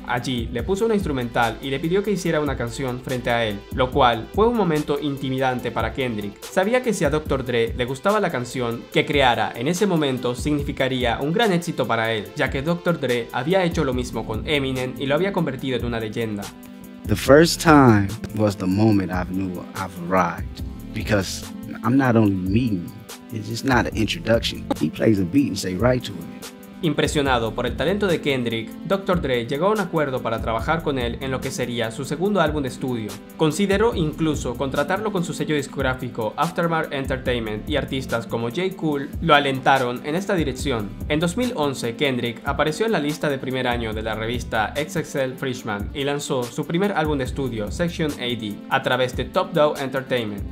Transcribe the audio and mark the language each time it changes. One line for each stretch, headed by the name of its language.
Spanish: Allí le puso una instrumental y le pidió que hiciera una canción frente a él, lo cual fue un momento intimidante para Kendrick. Sabía que si a Dr. Dre le gustaba la canción que creara en ese momento significaría un gran éxito para él, ya que Dr. Dre había hecho lo mismo con Eminem y lo había convertido en una leyenda.
English: The first time was the moment I knew I've arrived, because I'm not only meeting. It's just not an introduction. He plays a beat and say right to it.
Spanish: Impresionado por el talento de Kendrick, Dr. Dre llegó a un acuerdo para trabajar con él en lo que sería su segundo álbum de estudio. Consideró incluso contratarlo con su sello discográfico Aftermath Entertainment, y artistas como J. Cole lo alentaron en esta dirección. En 2011, Kendrick apareció en la lista de primer año de la revista XXL Freshman y lanzó su primer álbum de estudio, Section 80, a través de Top Dog Entertainment.